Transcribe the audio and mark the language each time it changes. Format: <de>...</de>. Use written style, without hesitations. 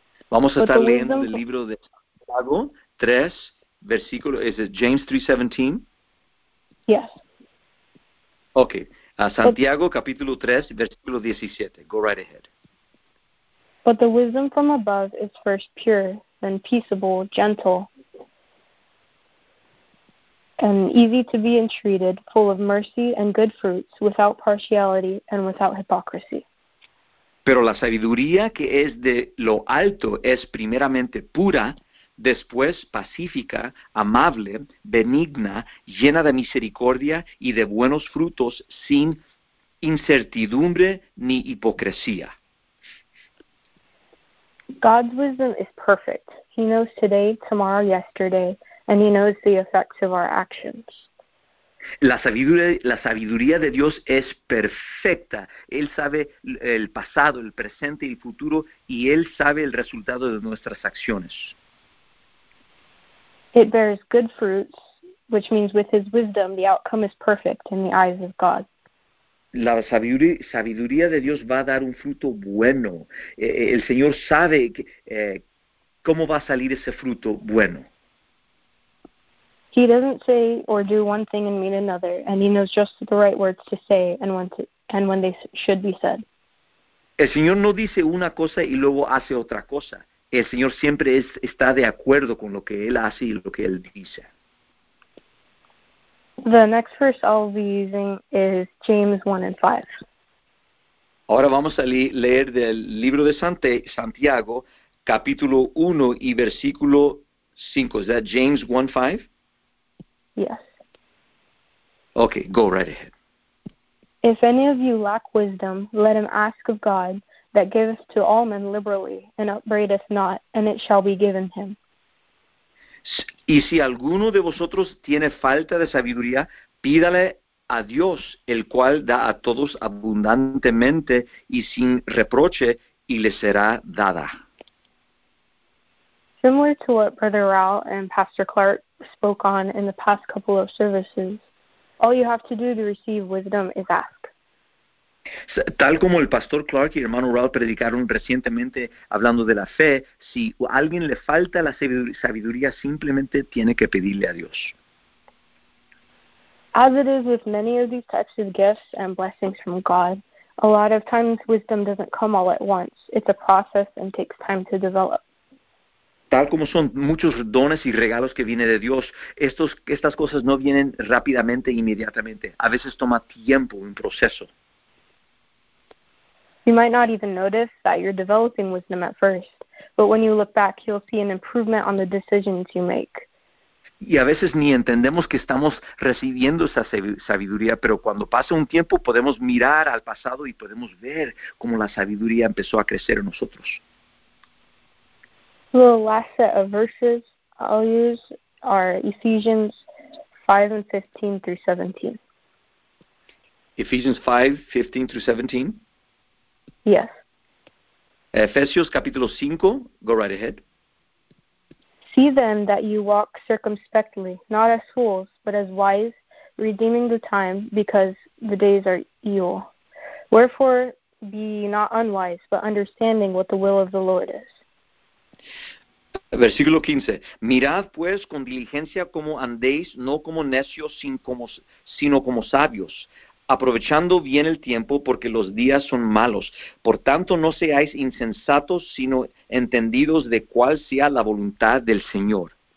<es>Vamos a estar leyendo el libro de Santiago 3, versículo, ¿es James 3:17?</es> <en>Yes.</en> <es>Okay, Santiago capítulo 3, versículo 17.</es> <en>Go right ahead. But the wisdom from above is first pure, then peaceable, gentle, and easy to be entreated, full of mercy and good fruits, without partiality and without hypocrisy.</en> <es>Pero la sabiduría que es de lo alto es primeramente pura, después pacífica, amable, benigna, llena de misericordia y de buenos frutos, sin incertidumbre ni hipocresía.</es> <en>God's wisdom is perfect. He knows today, tomorrow, yesterday, and he knows the effects of our actions.</en> <es>La sabiduría de Dios es perfecta. Él sabe el pasado, el presente y el futuro, y Él sabe el resultado de nuestras acciones.</es> <en>It bears good fruits, which means with his wisdom, the outcome is perfect in the eyes of God.</en> <es>La sabiduría de Dios va a dar un fruto bueno. El Señor sabe cómo va a salir ese fruto bueno.</es> <en>He doesn't say or do one thing and mean another, and he knows just the right words to say and when they should be said.</en> <es>El Señor no dice una cosa y luego hace otra cosa. El Señor siempre está de acuerdo con lo que Él hace y lo que Él dice.</es> <en>The next verse I'll be using is James 1:5.</en> <es>Ahora vamos a leer del libro de Santiago, capítulo 1 y versículo 5. ¿Es</es> <en>that James 1:5? Yes. Okay, go right ahead. If any of you lack wisdom, let him ask of God, that giveth to all men liberally, and upbraideth not, and it shall be given him.</en> <es>Y si alguno de vosotros tiene falta de sabiduría, pídale a Dios, el cual da a todos abundantemente y sin reproche, y le será dada.</es> <en>Similar to what Brother Rao and Pastor Clark spoke on in the past couple of services, all you have to do to receive wisdom is ask.</en> <es>Tal como el Pastor Clark y el hermano Rao predicaron recientemente hablando de la fe, si a alguien le falta la sabiduría, simplemente tiene que pedirle a Dios.</es> <en>As it is with many of these types of gifts and blessings from God, A lot of times wisdom doesn't come all at once. It's a process and takes time to develop.</en> <es>Tal como son muchos dones y regalos que vienen de Dios, estas cosas no vienen rápidamente e inmediatamente. A veces toma tiempo, un proceso.</es> <en>You might not even notice that you're developing wisdom at first, but when you look back, you'll see an improvement on the decisions you make.</en> <es>Y a veces ni entendemos que estamos recibiendo esa sabiduría, pero cuando pasa un tiempo podemos mirar al pasado y podemos ver cómo la sabiduría empezó a crecer en nosotros.</es> <en>The last set of verses I'll use are Ephesians 5 and 15 through 17. Ephesians 5, 15 through 17? Yes.</en> <es>Efesios capítulo 5,</es> <en>go right ahead. See then that you walk circumspectly, not as fools, but as wise, redeeming the time, because the days are evil. Wherefore, be not unwise, but understanding what the will of the Lord is.</en> <es>Versículo 15. Mirad pues con diligencia como andéis, no como necios, sino como sabios, aprovechando bien el tiempo, porque los días son malos. Por tanto, no seáis insensatos, sino entendidos de cuál sea la voluntad del Señor.</es>